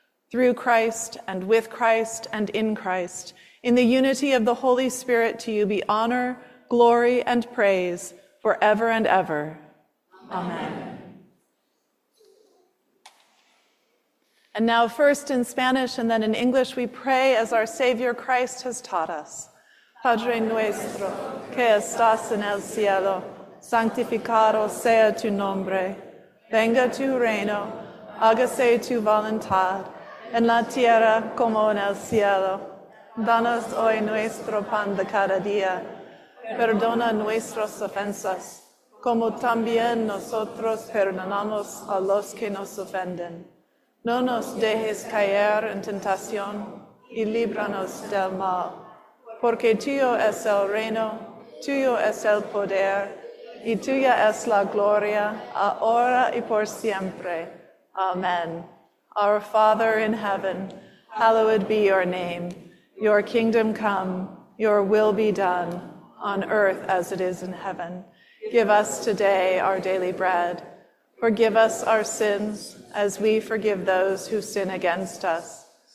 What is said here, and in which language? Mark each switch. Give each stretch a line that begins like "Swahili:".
English: Through Christ and with Christ and in Christ, in the unity of the Holy Spirit, to you be honor, glory, and praise forever and ever. Amen. And now first in Spanish and then in English, we pray as our Savior Christ has taught us.
Spanish: Padre nuestro, que estás en el cielo, santificado sea tu nombre. Venga tu reino, hágase tu voluntad, en la tierra como en el cielo. Danos hoy nuestro pan de cada día. Perdona nuestras ofensas, como también nosotros perdonamos a los que nos ofenden. No nos dejes caer en tentación y líbranos del mal. Porque tuyo es el reino, tuyo es el poder, y tuya es la gloria, ahora y por siempre. Amen.
English: Our Father in heaven, hallowed be your name. Your kingdom come, your will be done, on earth as it is in heaven. Give us today our daily bread. Forgive us our sins, as we forgive those who sin against us.